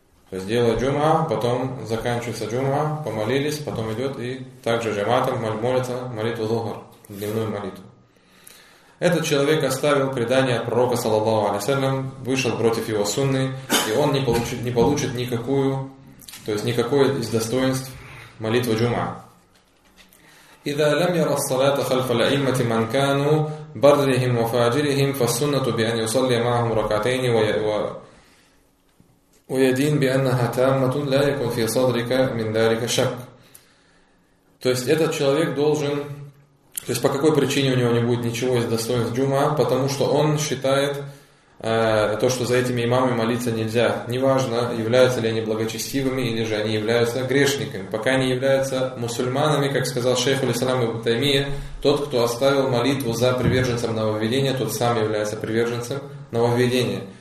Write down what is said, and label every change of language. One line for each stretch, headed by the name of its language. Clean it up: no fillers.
Russian: То есть делает джума, потом заканчивается джума, помолились, потом идет и также джаматом молится молитву дзухр, дневную молитву. Этот человек оставил предание от пророка, саллаллаху алейхи ва саллям, вышел против его сунны, и он не получит никакую, то есть никакое из достоинств молитвы джума.
Arabic: إذا لم ير الصلاة خلف الأئمة من كانوا برهم وفاجرهم فالسنة بأن يصلي معهم ركعتين ويدين بأنها تامة لا يكون في صدرك من ذلك شك.
Russian: То есть этот человек должен, то есть по какой причине у него не будет ничего из достоинств джума, потому что он считает то, что за этими имамами молиться нельзя. Неважно, являются ли они благочестивыми или же они являются грешниками. Пока не являются мусульманами, как сказал шейх аль-Ислам ибн Таймия, тот, кто оставил молитву за приверженцем нововведения, тот сам является приверженцем нововведения.